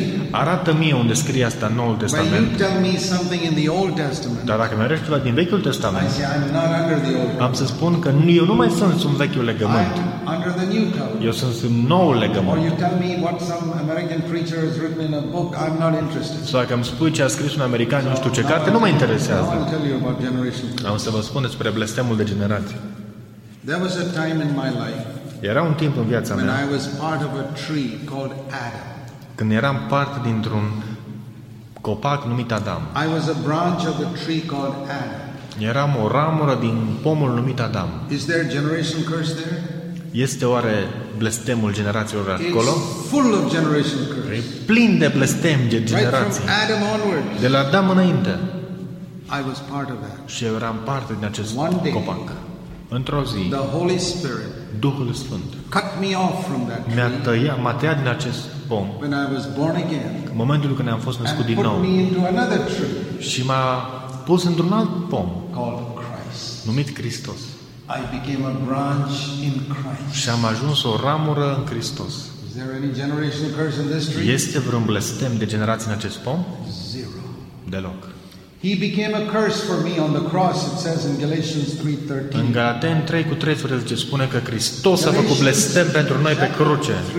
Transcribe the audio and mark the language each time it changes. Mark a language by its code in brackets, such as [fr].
[ro] Arată-mi unde scrie asta în Noul Testament. [en] But you tell me something in the Old Testament. [ro] Dar dacă mi-arăți ceva din Vechiul Testament, [en] I say, I'm not under the old. [ro] Am să spun că eu nu mai sunt sub Vechiul Legământ. [en] Under the New Covenant. [ro] Eu sunt sub Noul Legământ. [en] Or you tell me what some American preacher has written in a book, I'm not interested. [ro] Sau dacă îmi spui ce a scris un american, nu știu ce carte, nu mă interesează. [en] I'll tell you about generation. [ro] Am să vă spun despre blestemul de generație. [en] There was a time in my life. [ro] Era un timp în viața mea. [en] When I was part of a tree called Adam. [ro] Când eram parte dintr-un copac numit Adam. [en] I was a branch of a tree called Adam. [ro] Eram o ramură din pomul numit Adam. [en] Is there a generation curse there? [ro] Este oare blestemul generațiilor acolo? [en] Full of generation curse. [ro] E plin de blestem de generații. [en] Right from Adam onward. [ro] De la Adam înainte. [en] I was part of that. [ro] Și eram parte din acest [en] One day, [ro] copac. Într-o zi. [en] The Holy Spirit. [ro] Duhul Sfânt. [en] Cut me off from that tree. [ro] M-a tăiat din acest pom. [en] When I was born again. [ro] În momentul când am fost născut din nou. [en] And put me into another tree. [ro] Și m-a pus într-un alt pom. [en] Called Christ. [ro] Numit Hristos. [en] I became a branch in Christ. [ro] Și am ajuns o ramură în Hristos. [en] Is there any generation curse in this tree? [ro] Este vreun blestem de generație în acest pom? [en] Zero. [ro] Deloc. [en] He became a curse for me on the cross, it says in Galatians 3:13. [ro] În Galateni 3:13 spune că Hristos a făcut blestem pentru noi pe cruce.